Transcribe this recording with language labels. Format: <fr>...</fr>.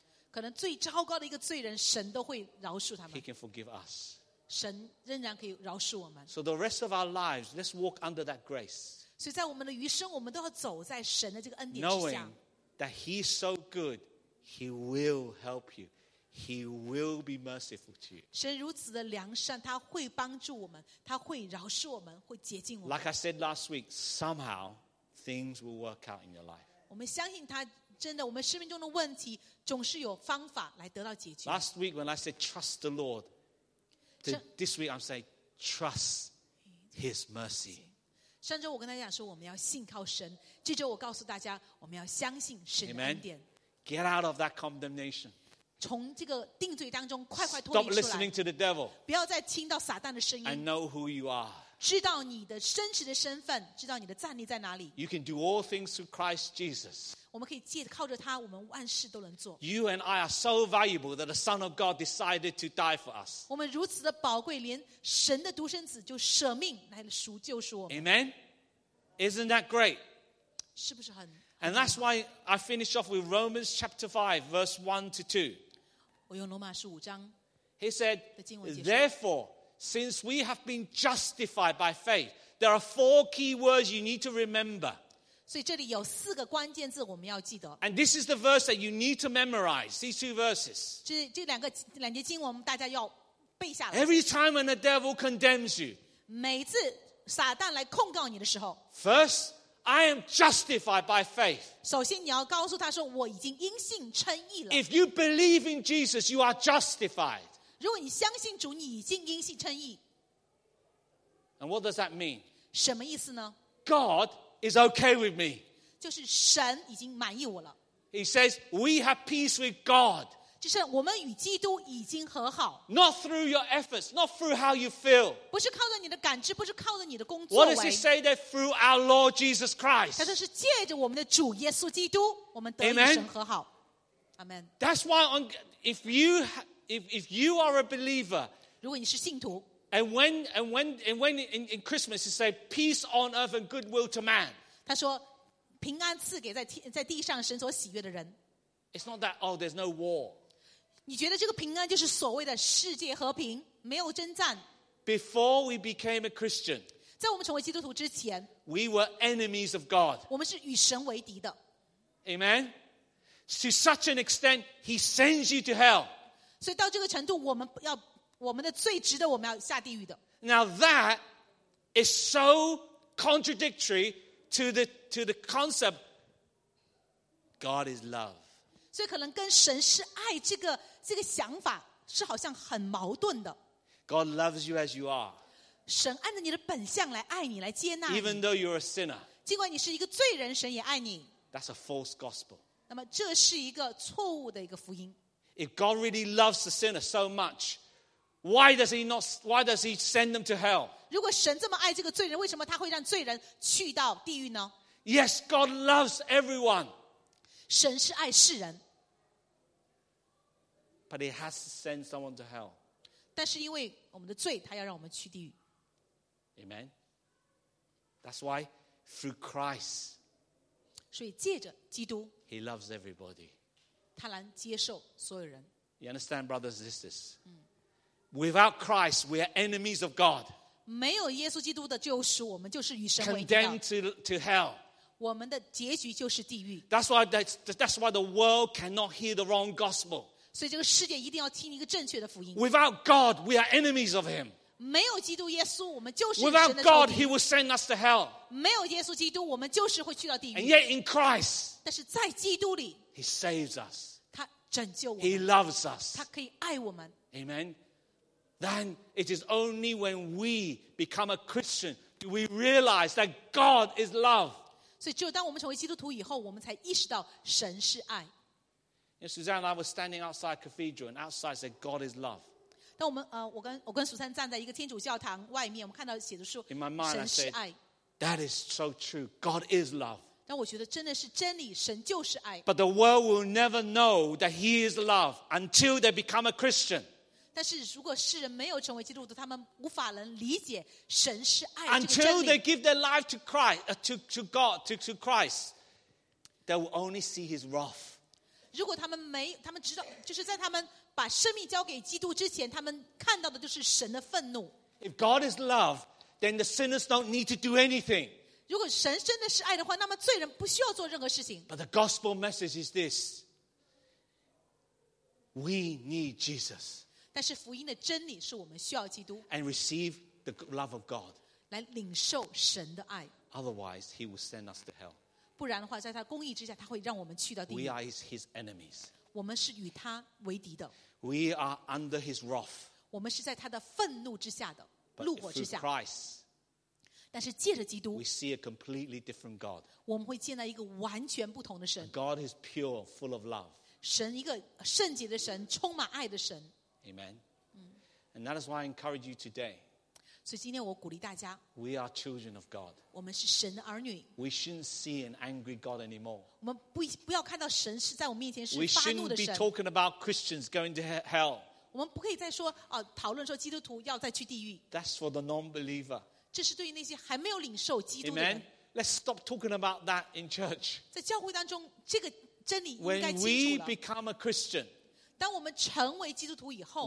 <zh>可能最糟糕的一个罪人，神都会饶恕他们。</zh> <en>He can forgive us.</en> <zh>神仍然可以饶恕我们。</zh> <en>So the rest of our lives, let's walk under that grace.</en> <zh>所以在我们的余生，我们都要走在神的这个恩典之下。</zh> <en>Knowing that He's so good, He will help you. He will be merciful to you.</en> <zh>神如此的良善，他会帮助我们，他会饶恕我们，会洁净我们。</zh> <en>Like I said last week, somehow things will work out in your life.</en> <zh>我们相信他，真的，我们生命中的问题总是有方法来得到解决。</zh> <en>Last week when I said trust the Lord, this week I'm saying trust His mercy.</en> <zh>上周我跟大家讲说我们要信靠神，这周我告诉大家我们要相信神的恩典。</zh> <en>Amen. Get out of that condemnation.</en> <zh>从这个定罪当中快快脱离出来。</zh> <en>Stop listening to the devil.</en> <zh>不要再听到撒旦的声音。</zh> <en>I know who you are.</en> <zh>知道你的真实的身份，知道你的站立在哪里。</zh> <en>You can do all things through Christ Jesus.</en> <zh>我们可以借靠着他，我们万事都能做。</zh> <en>You and I are so valuable that the Son of God decided to die for us.</en> <zh>我们如此的宝贵，连神的独生子就舍命来赎救赎我们。</zh> <en>Amen. Isn't that great?</en> <zh>是不是很？</zh> <en>And that's why I finish off with Romans chapter 5, verse 1 to 2.</en> <zh>我用罗马书五章。</zh> <en>He said, therefore, since we have been justified by faith, there are four key words you need to remember.</en> <zh>所以这里有四个关键字我们要记得。</zh> <en>And this is the verse that you need to memorize, these two verses.</en> <zh>这两个两节经文我们大家要背下来。</zh> <en>Every time when the devil condemns you,</en> <zh>每次撒旦来控告你的时候。</zh> <en>First,I am justified by faith.</en> <zh>首先你要告诉他说我已经因信称义了。</zh> <en>If you believe in Jesus, you are justified.</en> <zh>如果你相信主，你已经因信称义。</zh> <en>And what does that mean?</en> <zh>什么意思呢？</zh> <en>God is okay with me.</en> <zh>就是神已经满意我了。</zh> <en>He says, we have peace with God.</en> <zh>就是我们与基督已经和好。</zh> <en>Not through your efforts, not through how you feel.</en> <zh>不是靠着你的感知，不是靠着你的工作。</zh> <en>What does he say that through our Lord Jesus Christ?</en> <zh>他说是借着我们的主耶稣基督，我们得与神和好。</zh> <en>Amen. That's why on, if you are a believer,</en> <zh>如果你是信徒，</zh> <en>and when in Christmas he say peace on earth and goodwill to man.</en> <zh>他说平安赐给在地上神所喜悦的人。</zh> <en>It's not that, oh, there's no war.</en> <zh>你觉得这个平安就是所谓的世界和平，没有征战。</zh> <en>Before we became a Christian,</en> <zh>在我们成为基督徒之前，</zh> <en>we were enemies of God.</en> <zh>我们是与神为敌的。</zh> <en>Amen? To such an extent, he sends you to hell.</en> <zh>所以到这个程度，我们的罪值得我们要下地狱的。</zh> <en>Now that is so contradictory to the concept God is love.</en> <zh>所以可能跟神是爱这个想法是好像很矛盾的。</zh> <en>God loves you as you are.</en> <zh>神按着你的本相来爱你，来接纳你。</zh> <en>Even though you're a sinner.</en> <zh>尽管你是一个罪人，神也爱你。</zh> <en>That's a false gospel.</en> <zh>那么这是一个错误的一个福音。</zh> <en>If God really loves the sinner so much, why does he send them to hell?</en> <zh>如果神这么爱这个罪人，为什么他会让罪人去到地狱呢？</zh> <en>Yes, God loves everyone.</en> <zh>神是爱世人，</zh> <en>but he has to send someone to hell.</en> <zh>但是因为我们的罪，他要让我们去地狱。</zh> <en>Amen. That's why through Christ.</en> <zh>所以借着基督，</zh> <en>he loves everybody.</en> <zh>他能接受所有人。</zh> <en>You understand, brothers and sisters? Without Christ, we are enemies of God.</en> <zh>没有耶稣基督的救赎，我们就是与神为敌。</zh> <en>Condemned to hell.</en> <zh>我们的结局就是地狱。</zh> <en>That's why the world cannot hear the wrong gospel.</en> <zh>所以这个世界一定要听一个正确的福音。</zh> <en>Without God, we are enemies of Him.</en> <zh>没有基督耶稣，我们就是神的仇敌。</zh> <en>Without God, He will send us to hell.</en> <zh>没有耶稣基督，我们就是会去到地狱。</zh> <en>And yet in Christ,</en> <zh>但是在基督里，</zh> <en>He saves us.</en> <zh>他拯救我们。</zh> <en>He loves us.</en> <zh>他可以爱我们。</zh> <en>Amen. Then it is only when we become a Christian do we realize that God is love.</en> <zh>所以只有当我们成为基督徒以后，我们才意识到神是爱。</zh> <en>Yeah, Suzanne and I were standing outside cathedral, and outside said, "God is love."</en> <zh>当我们我跟苏珊站在一个天主教堂外面，我们看到写的说，神是爱。</zh> <en>In my mind, I said, "That is so true. God is love."</en> <zh>但我觉得真的是真理，神就是爱。</zh> <en>But the world will never know that He is love until they become a Christian.</en> <zh>但是如果世人没有成为基督徒，他们无法能理解神是爱这个真理。</zh> <en>Until they give their life to Christ, to God, to Christ, they will only see His wrath.</en> <zh>如果他们知道，就是在他们把生命交给基督之前，他们看到的就是神的愤怒。</zh> <en>If God is love, then the sinners don't need to do anything.</en> <zh>如果神真的是爱的话，那么罪人不需要做任何事情。</zh> <en>But the gospel message is this: we need Jesus.</en> <zh>但是福音的真理是我们需要基督</zh> <en>and receive the love of God</en> <zh>来领受神的爱</zh> <en>otherwise he will send us to hell</en> <zh>不然的话在他公义之下他会让我们去到地狱</zh> <en>we are his enemies</en> <zh>我们是与他为敌的</zh> <en>we are under his wrath</en> <zh>我们是在他的愤怒之下的怒火之下</zh> <en>but through Christ</en> <zh>但是借着基督</zh> <en>we see a completely different God.</en> <zh>我们会见到一个完全不同的神</zh> <en>a God is pure, full of love.</en> <zh>神一个圣洁的神充满爱的神</zh> <en>Amen. And that is why I encourage you today.</en> <zh>所以今天我鼓励大家</zh> <en>We are children of God.</en> <zh>我们是神的儿女</zh> <en>We shouldn't see an angry God anymore.</en> <zh>我们 不要看到神是在我面前是发怒的神</zh> <en>We shouldn't be talking about Christians going to hell.</en> <zh>我们不可以再说、啊、讨论说基督徒要再去地狱</zh> <en>That's for the non-believer.</en> <zh>这是对于那些还没有领受基督的人。</zh> <en>Amen. Let's stop talking about that in church.</en> <zh>在教会当中，这个真理应该清楚了。</zh> <en>When we become a Christian,</en> <zh>当我们成为基督徒以后</zh>